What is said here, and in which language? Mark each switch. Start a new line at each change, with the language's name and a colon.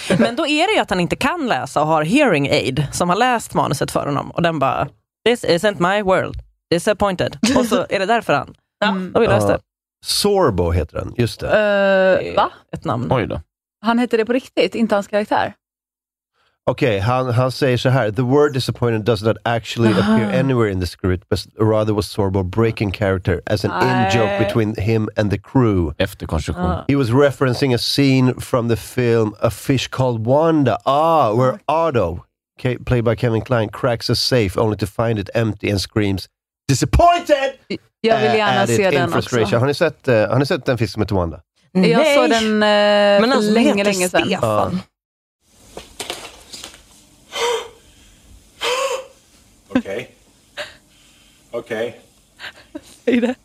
Swedish: Men då är det ju att han inte kan läsa och har
English: hearing aid
Swedish: som har läst manuset för honom. Och den bara,
English: this isn't my world. Disappointed.
Swedish: Och så är det därför han. Ja. Då vill jag läsa det. Sorbo heter den, just det. Va? Ett namn. Oj då. Han heter det på riktigt, inte hans karaktär.
English: Okay,
Swedish: han säger så här:
English: the word disappointed does not actually appear anywhere in the script, but rather was Sorbo breaking character as an in-joke between him and the crew.
Swedish: Efter konstruktion.
English: He was referencing a scene from the film A Fish Called Wanda, where Otto, played by Kevin Kline, cracks a safe only to find it empty and screams, disappointed!
Swedish: Jag vill gärna se den också. Har ni sett den film som heter Wanda? Nej! Jag såg den länge sedan. Okej. Säg det.